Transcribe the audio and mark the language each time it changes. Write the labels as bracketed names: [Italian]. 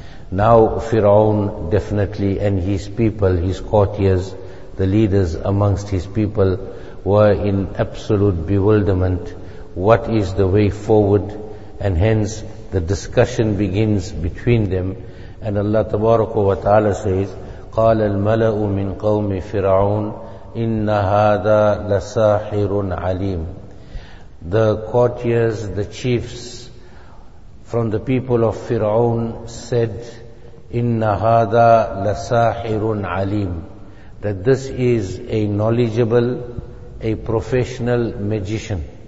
[English] Now Fir'aun definitely and his people, his courtiers, the leaders amongst his people were in absolute bewilderment. What is the way forward? And hence the discussion begins between them. And Allah Tabaraka wa Ta'ala says, [Arabic] قَالَ الْمَلَأُ مِنْ قَوْمِ فِرْعَوْنَ إِنَّ هَذَا لَسَاحِرٌ عَلِيمٌ. [English] The courtiers, the chiefs from the people of Fir'aun said, [Arabic] إِنَّ هَذَا لَسَاحِرٌ عَلِيمٌ, [English] that this is a knowledgeable, a professional magician.